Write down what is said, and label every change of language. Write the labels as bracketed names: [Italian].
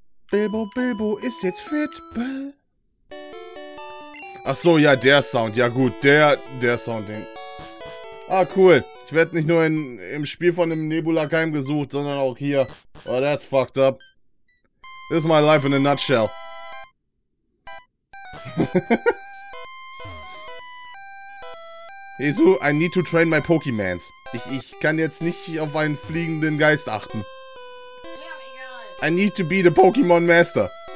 [German] Bilbo, Bilbo ist jetzt fit. Ach so, ja, der Sound. Ja gut, der Sound, den... Ah, cool. Ich werde nicht nur im Spiel von dem Nebula-Keim gesucht, sondern auch hier. [English] Oh, that's fucked up. This is my life in a nutshell. Jesu, I need to train my Pokémans. [German] Ich kann jetzt nicht auf einen fliegenden Geist achten. [English] I need to be the Pokémon Master.